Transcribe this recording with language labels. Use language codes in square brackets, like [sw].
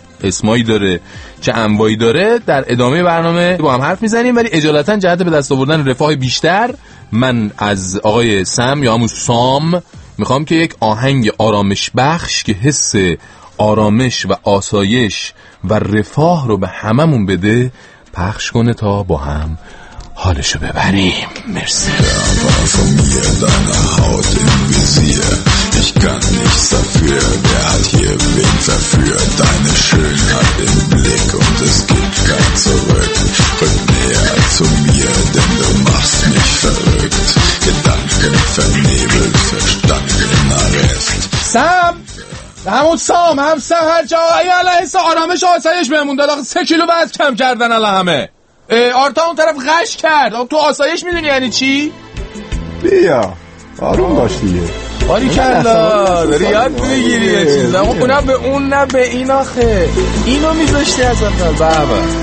[fa] اسمایی داره چه انبایی داره در ادامه برنامه با هم حرف میزنیم، ولی اجالتا جهت به دست آوردن رفاه بیشتر من از آقای سم یا همون سام میخوام که یک آهنگ آرامش بخش که حس آرامش و آسایش و رفاه رو به هممون بده پخش کنه تا با هم حالشو ببریم. مرسی. [de] Kann nichts dafür, wer hat hier wen verführt? Deine Schönheit im Blick und es gibt kein Zurück. Rück näher zu mir, denn du machst mich verrückt. Gedanken vernebelt, Verstand im Arrest. Sam! [fa] همون سام هم سام هر جا ای الله حس آرامش و آسایش بهمون داد. آخه 3 کیلو وزن کم کردن الله همه. آرتا اون طرف غش کرد. تو آسایش میدونی یعنی چی؟ بیا آروم باش دیگه. باری کلا ریاد میگیری یه چیز اما اونم به اون نه به این آخه اینو میذاشتی از اول. بابا بابا